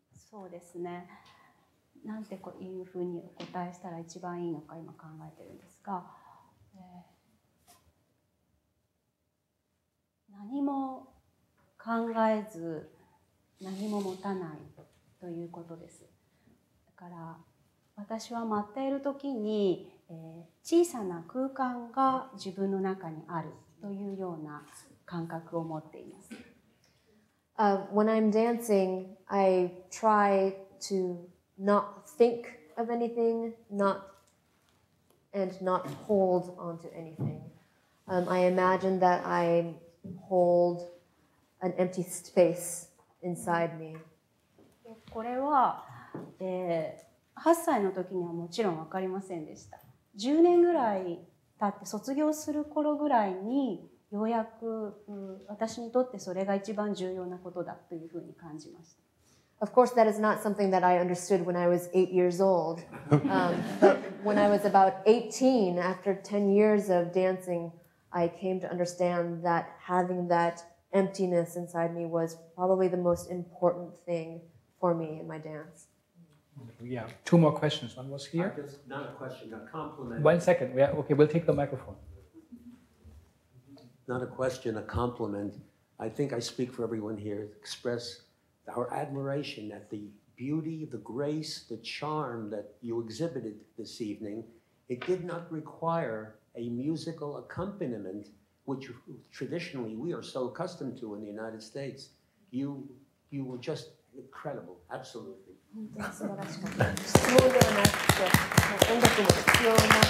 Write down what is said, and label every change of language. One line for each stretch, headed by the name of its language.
Japanese: そうですね、なんてこういうふうにお答えしたら一番いいのか今考えてるんですが、何も考えず何も持たないということです。だから私は待っている時に、小さな空間が自分の中にあるというような感覚を持っています。
English: When I'm dancing, I try to not think of anything, not hold onto anything. I imagine that I hold an empty space inside me.
Japanese: これは、8歳の時にはもちろん分かりませんでした。 10年ぐらい経って卒業する頃ぐらいにようやく、私にとってそれが一番重要なことだというふうに感じました。
English: Of course, that is not something that I understood when I was 8 years old. But when I was about 18, after 10 years of dancing, I came to understand that having that emptiness inside me was probably the most important thing for me in my dance. Yeah, two more questions. One was here. Not a question, a compliment. One second. Yeah, okay, we'll take the microphone. Not a question, a compliment. I think I speak for everyone here. Express our admiration at the beauty, the grace, the charm that you exhibited this evening. It did not require a musical accompaniment, which traditionally we are so accustomed to in the United States. You were just incredible, absolutely.
Japanese: 本当に素晴らしかった。質問ではなくて、音楽も必要なく。